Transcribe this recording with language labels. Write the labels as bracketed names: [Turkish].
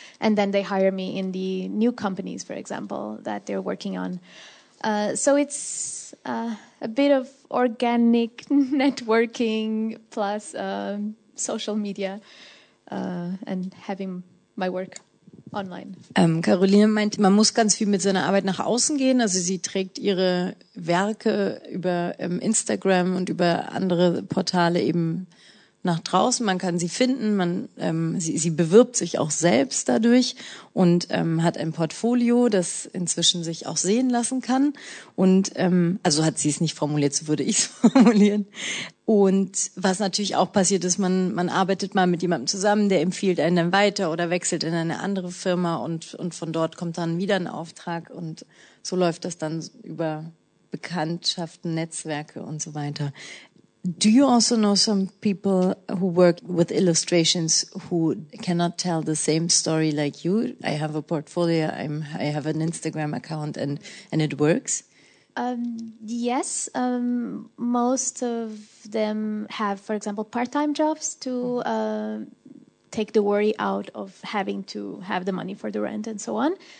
[English] And then they hire me in the new companies, for example, that they're working on. So it's a bit of organic networking plus social media and having my work. online. [German] Caroline meint, man muss ganz viel mit seiner Arbeit nach außen gehen. Also sie trägt ihre Werke über Instagram und über andere Portale eben nach draußen. Man kann sie finden, man sie bewirbt sich auch selbst dadurch und hat ein Portfolio, das inzwischen sich auch sehen lassen kann. Und also hat sie es nicht formuliert, so würde ich es formulieren. Und was natürlich auch passiert ist, man arbeitet mal mit jemandem zusammen, der empfiehlt einen dann weiter oder wechselt in eine andere Firma und von dort kommt dann wieder ein Auftrag und so läuft das dann über Bekanntschaften, Netzwerke und so weiter. [English] Do you also know some people who work with illustrations who cannot tell the same story like you? I have a portfolio, I have an Instagram account and it works. Yes, most of them have, for example, part-time jobs to take the worry out of having to have the money for the rent and so on.